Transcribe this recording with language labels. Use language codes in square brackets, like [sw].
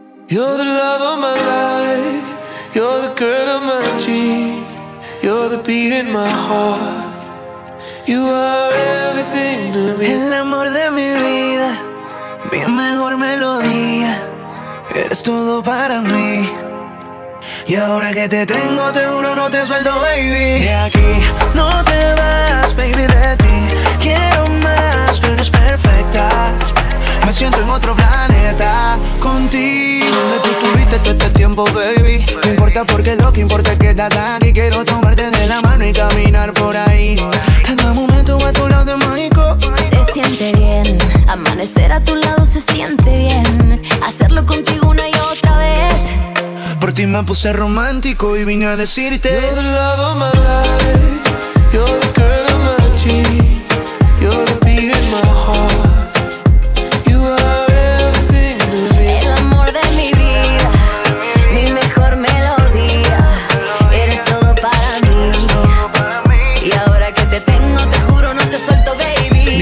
[en] You're the love of my life. You're the girl of my dreams. You're the beat in my heart. You are everything to me. [es] El amor de mi vida, mi mejor melodía. Eres todo para mí. Y ahora que te tengo, te juro no te suelto, baby. De aquí no te vas, baby, de ti. Quiero más, tú eres perfecta. Me siento en otro planeta contigo. ¿Dónde tú estuviste todo este tiempo, baby? No importa porque lo que importa es que estás aquí. Quiero tomarte de la mano y caminar por ahí. Cada momento a tu lado es mágico. Se siente bien, amanecer a tu lado se siente bien. Hacerlo contigo una y otra vez. Por ti me puse romántico y vine a decirte. [en] You're the love of my life. You're the girl of my dreams. You're the beat in my heart. You are everything to me. [es] El amor de mi vida, mi mejor melodía. Eres todo para mí. Y ahora que te tengo, te juro no te suelto, baby.